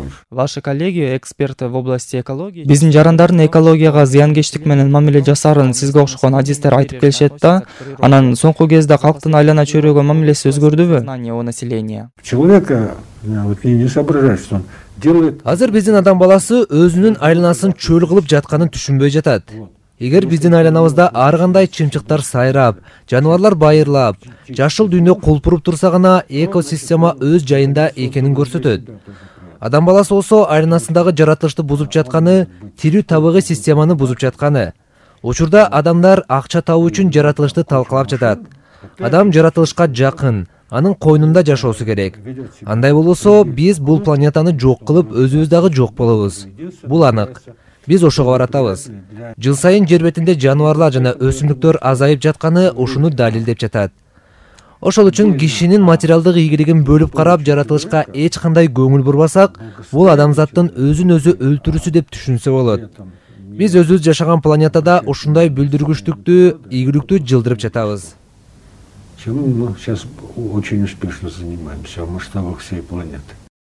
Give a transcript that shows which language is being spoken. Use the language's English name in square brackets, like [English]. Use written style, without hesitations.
[Russian] Ваши коллеги, эксперты в области экологии. [Kyrgyz] Биздин жарандардын экологияга зыянкечтик менен мамиле жасаарын сизге окшогон адистер айтып келишет да, анан соңку кезде калктын айлана чөйрөгө мамилеси өзгөрдүбү? [Russian] Человека не соображает, что он делает. [Kyrgyz] Азыр биздин адам баласы өзүнүн айланасын чөл кылып жатканын түшүнбөй жатат. Эгер биздин айланабызда ар кандай чымчыктар сайрап, жаныбарлар байырлап, жашыл дүйнө кулпуруп турса гана экосистема өз жайында экенин көрсөтөт. Адам баласы болсо айланасындагы жаратылышты бузуп жатканы, тирүү табыгый системаны бузуп жатканы. Учурда адамдар акча табуу үчүн жаратылышты талкалап жатат. Адам жаратылышка жакын, анын койнунда жашоосу керек. Андай болсо, биз бул планетаны жок кылып, өзүбүз дагы жок болобуз. Бул анык. Биз ошого баратабыз. Жыл сайын жер бетинде жаныбарлар жана өсүмдүктөр азайып жатканы ушуну далилдеп жатат. Ошол үчүн кишинин материалдык ийгилигин бөлүп карап, жаратылышка эч кандай көңүл бурбасак, бул адамзаттын өзүн өзү өлтүрүүсү деп түшүнсө болот. Биз өзүбүз жашаган планетада ушундай бүлдүргүчтүктү, ийгиликтүү жылдырып жатабыз. [Russian] Чем мы сейчас очень успешно занимаемся в масштабах всей планеты.